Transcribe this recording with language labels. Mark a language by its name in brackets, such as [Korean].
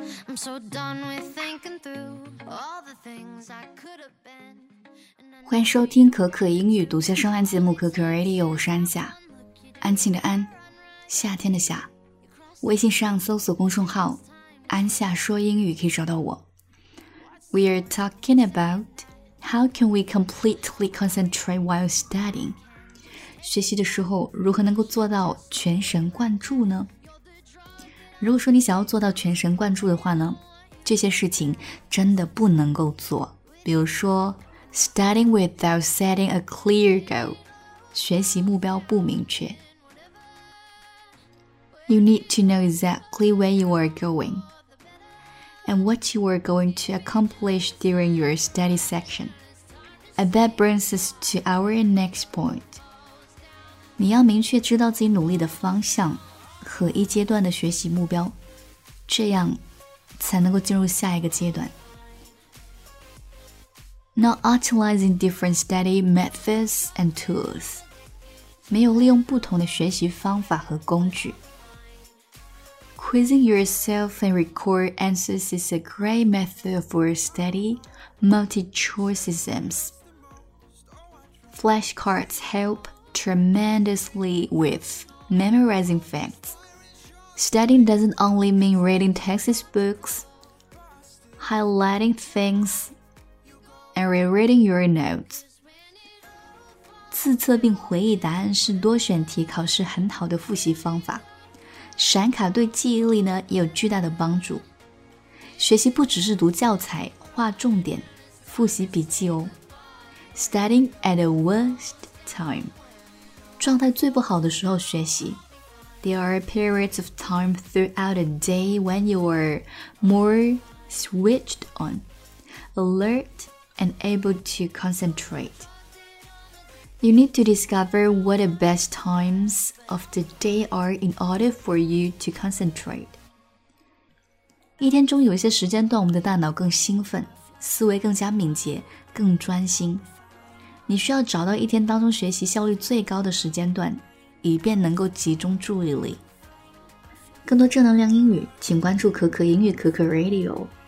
[English] I'm so done with thinking through all the things I could have been. [Chinese] 欢迎收听可可英语独家双岸节目可可 Radio， 我是安夏，安静的安，夏天的夏。微信上搜索公众号安夏说英语可以找到我。 [English] We are talking about how can we completely concentrate while studying? [Chinese] 学习的时候如何能够做到全神贯注呢？如果说你想要做到全神贯注的话呢，这些事情真的不能够做。比如说 [English] studying without setting a clear goal， [Chinese] 学习目标不明确。 [English] You need to know exactly where you are going and what you are going to accomplish during your study section. And that brings us to our next point. [Chinese] 你要明确知道自己努力的方向和一阶段的学习目标，这样才能够进入下一个阶段。 [English] Not utilizing different study methods and tools. [Chinese] 没有利用不同的学习方法和工具。 [English] Quizzing yourself and record answers is a great method for study multi-choice exams. Flashcards help tremendously with memorizing facts. Studying doesn't only mean reading textbooks, highlighting things, and rereading your notes. [Chinese] 自测并回忆答案是多选题考试很好的复习方法。闪卡对记忆力呢也有巨大的帮助。学习不只是读教材、画重点、复习笔记哦。 [English] Studying at the worst time， [Chinese] 状态最不好的时候学习。 [English] There are periods of time throughout the day when you are more switched on, alert, and able to concentrate. You need to discover what the best times of the day are in order for you to concentrate. [Chinese] 一天中有一些时间段，我们的大脑更兴奋，思维更加敏捷，更专心。你需要找到一天当中学习效率最高的时间段，以便能够集中注意力。更多正能量英语，请关注可可英语可可 Radio。